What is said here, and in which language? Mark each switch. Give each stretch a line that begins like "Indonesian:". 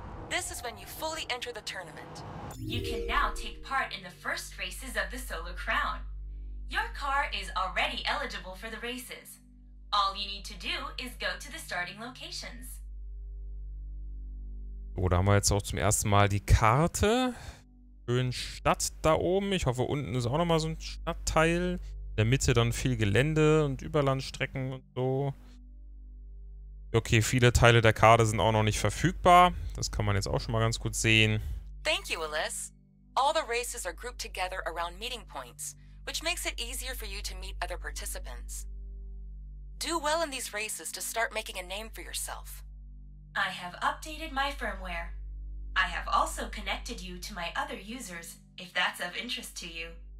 English: This is when you fully enter the tournament. You can now take part in the first races of the Solar Crown. Your car is already eligible for the races. All you need to do is go to the starting locations.
German: So, da haben wir jetzt auch zum ersten Mal die Karte. Schön Stadt da oben. Ich hoffe, unten ist auch nochmal so ein Stadtteil. In der Mitte dann viel Gelände und Überlandstrecken und so. Okay, viele Teile der Karte sind auch noch nicht verfügbar. Das kann man jetzt auch schon mal ganz gut sehen.
English: Thank you, Alice. All the races are grouped together around meeting points, which makes it easier for you to meet other participants. Do well in these races to start making a name for yourself. I have updated my firmware. I have also connected you to my other users, if that's of interest to you.